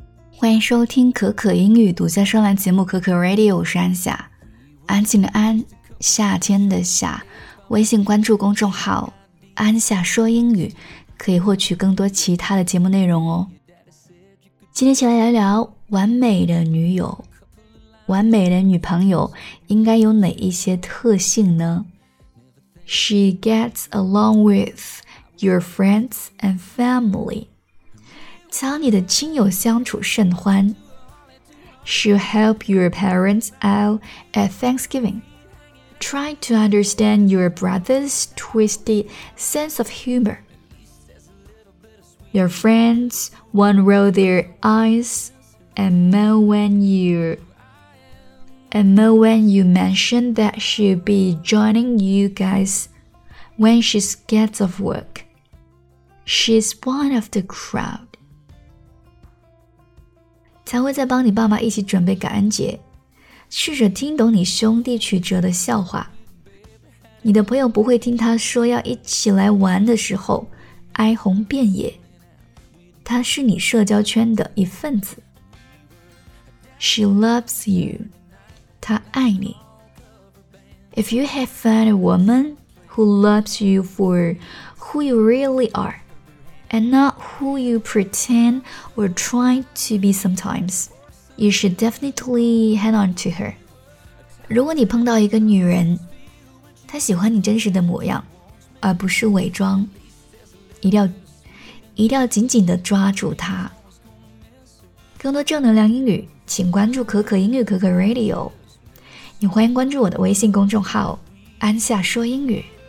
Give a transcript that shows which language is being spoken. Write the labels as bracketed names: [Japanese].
[Chinese] 欢迎收听可可英语独家专栏节目可可 Radio， 我是安夏，安静的安，夏天的夏。微信关注公众号安夏说英语，可以获取更多其他的节目内容哦。今天起来聊一聊完美的女友，完美的女朋友应该有哪一些特性呢？ [English] She gets along with your friends and family， [Chinese] 将你的亲友相处甚欢。 [English] She'll help your parents out at Thanksgiving， Try to understand your brother's twisted sense of humor。 Your friends won't roll their eyes and moan when you mention that she'll be joining you guys when she gets off work. She's one of the crowd. [Chinese] 才会再帮你爸妈一起准备感恩节，试着听懂你兄弟曲折的笑话。你的朋友不会听他说要一起来玩的时候哀鸿遍野。她是你社交圈的一份子。 [English] She loves you. [Chinese] 她爱你。 [English] If you have found a woman who loves you for who you really are, and not who you pretend or try to be sometimes, you should definitely hang on to her. [Chinese] 如果你碰到一个女人，她喜欢你真实的模样，而不是伪装，一定要紧紧地抓住它。更多正能量英语，请关注可可英语可可 Radio。也欢迎关注我的微信公众号安夏说英语。